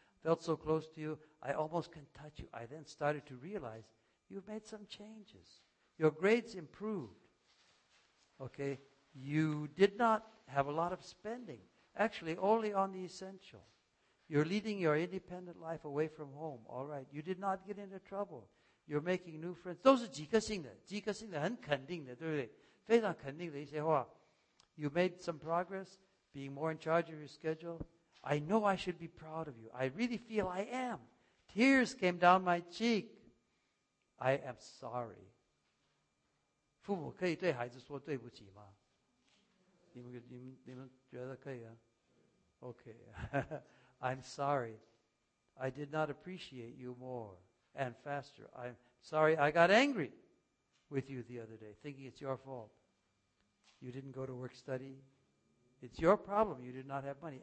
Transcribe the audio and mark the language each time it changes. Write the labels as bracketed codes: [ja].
[en] Felt so close to you, I almost can touch you. I then started to realize you've made some changes. Your grades improved. Okay, you did not have a lot of spending, actually only on the essential. You're leading your independent life away from home, all right. You did not get into trouble. You're making new friends. [zh] 都是即刻性的,很肯定的,对不对? 非常肯定的一些话。 [en] You made some progress, being more in charge of your schedule. I know I should be proud of you. I really feel I am. Tears came down my cheek. I am sorry. [zh] 父母可以对孩子说对不起吗？你们觉得可以啊 [en] ？OK， I'm sorry, I did not appreciate you more and faster. I'm sorry I got angry with you the other day, thinking it's your fault. You didn't go to work study. It's your problem. You did not have money.